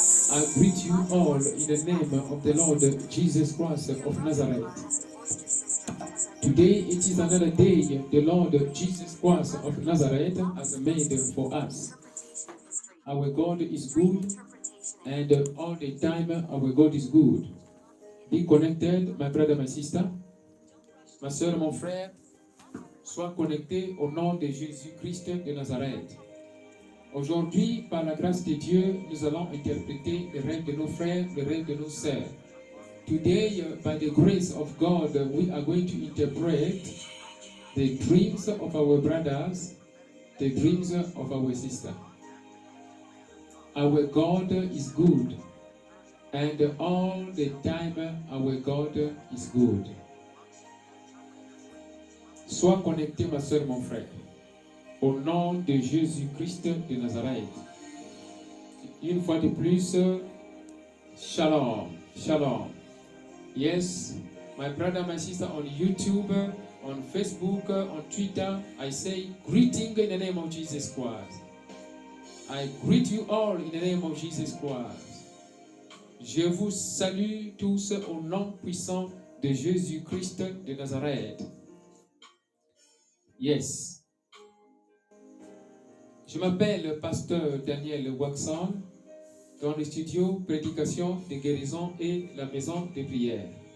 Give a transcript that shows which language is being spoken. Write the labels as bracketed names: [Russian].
[English] I greet you all in the name of the Lord Jesus Christ of Nazareth. Today it is another day the Lord Jesus Christ of Nazareth has made for us. Our God is good. And all the time, our God is good. Be connected, my brother, my sister, [French] ma soeur, mon frère. Sois connecté au nom de Jésus-Christ de Nazareth. Aujourd'hui, par la grâce de Dieu, nous allons interpréter le rêve de nos frères, le rêve de nos sœurs. [English] Today, by the grace of God, we are going to interpret the dreams of our brothers, the dreams of our sisters. Our God is good, and all the time our God is good. Sois connecté, ma soeur, mon frère, au nom de Jésus-Christ de Nazareth. [French] Une fois de plus, shalom, shalom. [English] Yes, my brother, my sister, on YouTube, on Facebook, on Twitter, I say greeting in the name of Jesus Christ. I greet you all in the name of Jesus Christ. [French] Je vous salue tous au nom puissant de Jésus-Christ de Nazareth. Yes. Je m'appelle Pasteur Daniel Waxon, dans le studio Prédication de guérison et la maison de prière.